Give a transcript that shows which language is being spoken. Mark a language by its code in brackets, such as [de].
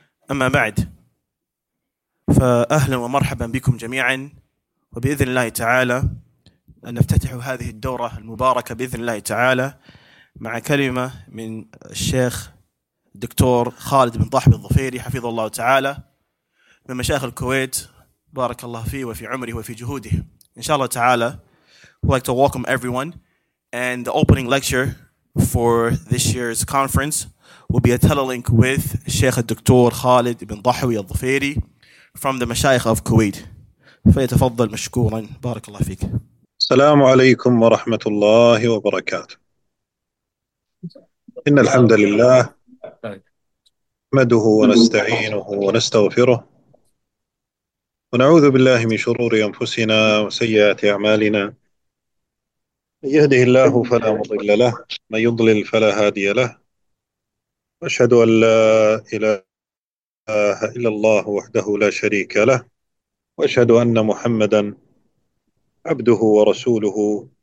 [ar] أما بعد، فأهلا ومرحبا بكم جميعا، وبإذن الله تعالى أن نفتتح هذه الدورة المباركة بإذن الله تعالى مع كلمة من الشيخ دكتور خالد بن طحب الظفيري حفظه الله تعالى، من مشايخ الكويت، بارك الله فيه وفي عمره وفي جهوده. إن شاء الله تعالى [en] I'd like to welcome everyone, and the opening lecture for this year's conference will be a telelink with Sheikh Dr. Khalid ibn Dahawi al-Dhafiri from the Mashaykh of Kuwait. [ar] فيتفضل مشكورا، بارك الله فيك. السلام عليكم ورحمة الله وبركاته. إن الحمد لله نحمده ونستعينه ونستغفره ونعوذ بالله من شرور أنفسنا وسيئات أعمالنا، من يهده الله فلا مضل له، من يضلل فلا هادي له، أشهد أن لا إله إلا الله وحده لا شريك له، وأشهد أن محمدا عبده ورسوله.